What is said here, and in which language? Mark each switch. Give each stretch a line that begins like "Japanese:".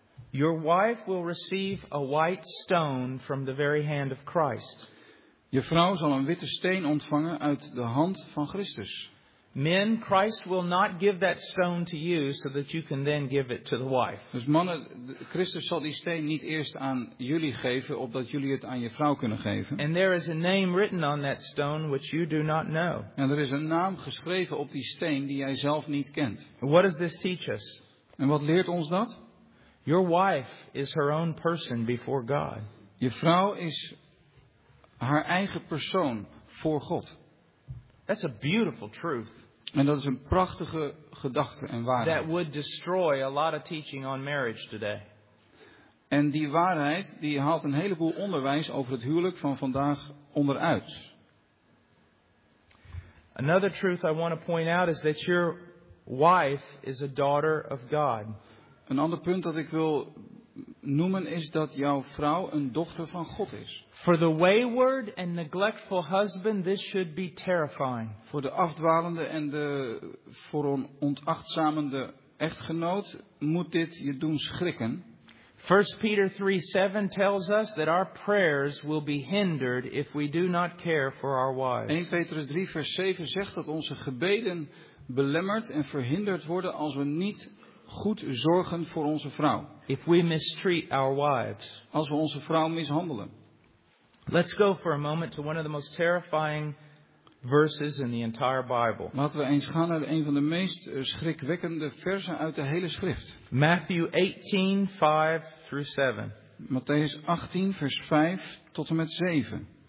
English: Your wife will receive a white stone from the very hand of Christ.
Dutch: Je vrouw zal een witte steen ontvangen uit de hand van Christus.
English: Men, Christ will not give that stone to you so that you can then give it to the wife.
Dutch: Dus mannen, Christus zal die steen niet eerst aan jullie geven, opdat jullie het aan je vrouw kunnen geven.
English: And there is a name written on that stone which you do not know.
Dutch: En er is een naam geschreven op die steen die jij zelf niet kent.
English: What does this teach us?
Dutch: En wat leert ons dat?
English: Your wife is her own person before God.
Dutch: Je vrouw is haar eigen persoon voor God.
English: That's a beautiful truth.
Dutch: En dat is een prachtige gedachte en waarheid.
English: That would destroy a lot of teaching on marriage today.
Dutch: En die waarheid die haalt een heleboel onderwijs over het huwelijk van vandaag onderuit.
English: Another truth I want to point out is that your wife is a daughter of God.
Dutch: Een ander punt dat ik wil noemen is dat jouw vrouw een dochter van God is.
English: For the wayward and neglectful husband, this should be terrifying.
Dutch: Voor de afdwalende en de voor een ontachtzamende echtgenoot moet dit je doen schrikken.
English: 1 Peter 3:7 tells us that our prayers will be hindered if we do not care for our wives.
Dutch: 1 Petrus 3 vers 7 zegt dat onze gebeden belemmerd en verhinderd worden als we niet goed zorgen voor onze vrouw.
English: If we mistreat our wives.
Dutch: Als we onze vrouw mishandelen.
English: Let's go for a moment to one of the most terrifying verses in the entire Bible.
Dutch: Laten we eens gaan naar een van de meest schrikwekkende versen uit de hele schrift.
English: Matthew 18, 5 through 7.
Dutch: Matthäus 18, vers 5 tot en met 7.